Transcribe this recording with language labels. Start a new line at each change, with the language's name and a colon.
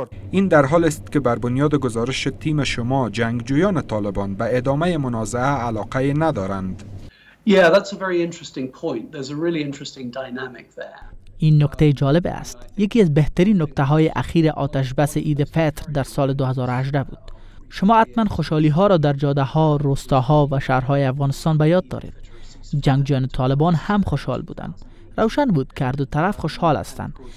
Persian: این در حال است که بر بنیاد گزارش تیم شما جنگجویان طالبان به ادامه منازعه علاقه ندارند.
English: Yeah, that's a very interesting point. There's a really interesting dynamic there.
Persian: این نکته جالب است. یکی از بهترین نکته های اخیر آتش بس عید فطر در سال 2018 بود. شما حتما خوشحالی ها را در جاده ها، روستاها و شهرهای افغانستان به یاد دارید. جنگجویان طالبان هم خوشحال بودند. روشن بود که هر دو طرف خوشحال هستند.